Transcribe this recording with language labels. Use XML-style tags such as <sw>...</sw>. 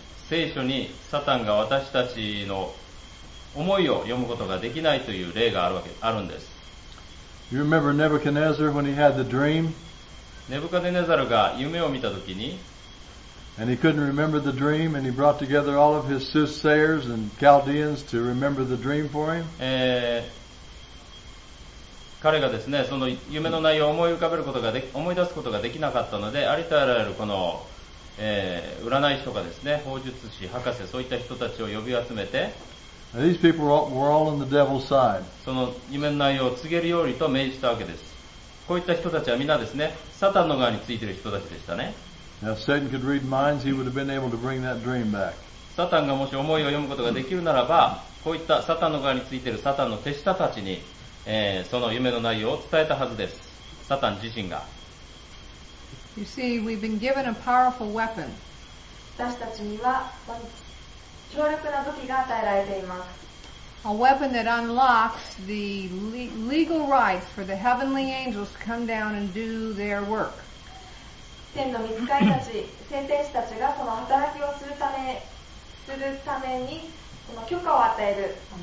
<ja>聖書にサタンが私たちの思いを読むことができないという例があるんです。</ja> <en>You remember Nebuchadnezzar when he had the dream?</en> <ja>ネブカデネザルが夢を見たときに、</ja> <en>And he couldn't remember the dream, and he brought together all of his soothsayers and Chaldeans to remember the dream for him.</en> <ja>彼がですね、その夢の内容を思い浮かべることができ、思い出すことができなかったので、ありとあらゆるこの、占い師とかですね、法術師、博士、そういった人たちを呼び集めて、</ja> <en>These people were all on the devil's side.</en> <ja>その夢の内容を告げるようにと命じたわけです。こういった人たちはみんなですね、サタンの側についている人たちでしたね。</ja> <en>Now, if Satan could read minds, he would have been able to bring that dream back.</en> <ja>サタンがもし思いを読むことができるならば、こういったサタンの側についているサタンの手下たちに、その夢の内容を伝えたはずです。サタン自身が。</ja> <en>You see, we've been given a powerful weapon.</en> <ja>私たちには強力な武器が与えられています。</ja> <en>A weapon that unlocks the legal right for the heavenly angels to come down and do their work.</en> <ja>天の御使いたち、先天使たちがその働きをするため、するためにこの許可を与える。</ja>